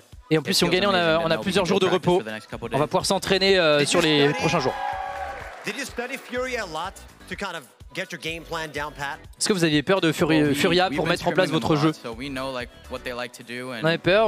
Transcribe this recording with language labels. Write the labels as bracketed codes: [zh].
[fr] Et en plus, si on gagne, on a plusieurs jours de repos. On va pouvoir s'entraîner sur les prochains jours. [en] Did you study Furia a lot to kind of get your game plan down pat? [fr] Est-ce que vous aviez peur de Furia pour mettre en place votre jeu? On avait peur.